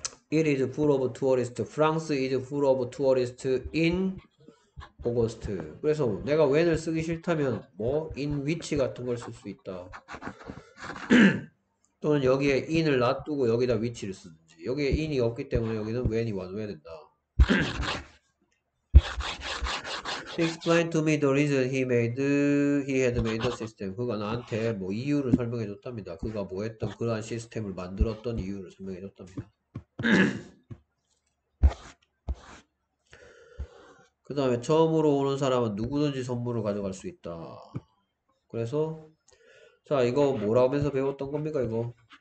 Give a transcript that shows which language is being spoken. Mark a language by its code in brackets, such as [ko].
[en] It is full of tourists. France is full of tourists in August. [ko] 그래서 내가 when을 쓰기 싫다면 뭐 in which 같은 걸쓸수 있다. 또는 여기에 in을 놔두고 여기다 위치를 쓰든지 여기에 in이 없기 때문에 여기는 when이 완료해야 된다. [en] Explain to me the reason he had made the system. [ko] 그가 나한테 뭐 이유를 설명해 줬답니다. 그가 뭐 했던 그러한 시스템을 만들었던 이유를 설명해 줬답니다. 그 다음에 처음으로 오는 사람은 누구든지 선물을 가져갈 수 있다. 그래서 자, 이거 뭐라면서 배웠던 겁니까, 이거?